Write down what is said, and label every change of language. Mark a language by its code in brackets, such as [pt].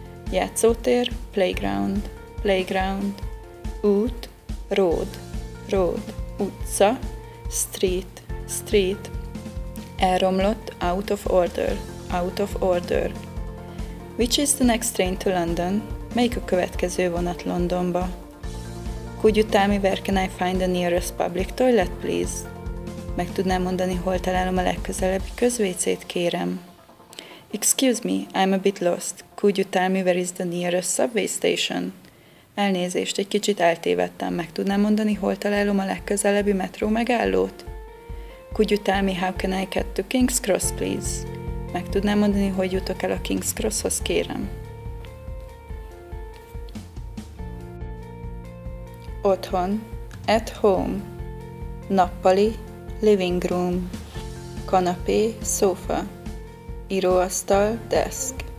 [en] Játszótér, playground, playground. Út, road, road. Utca, street, street. Elromlott, out of order, out of order. Which is the next train to London? [hu] Melyik a következő vonat Londonba? [en] Could you tell me where can I find the nearest public toilet, please? [hu] Meg tudnám mondani, hol találom a legközelebbi közvécét, kérem. [en] Excuse me, I'm a bit lost. Could you tell me where is the nearest subway station? [hu] Elnézést, egy kicsit eltévedtem. Meg tudnám mondani, hol találom a legközelebbi metró megállót? [en] Could you tell me how can I get to King's Cross, please? [hu] Meg tudnám mondani, hogy jutok el a King's Crosshoz, kérem. [en] Otthon, at home. Nappali, living room. Kanapé, sofa. Íróasztal, desk.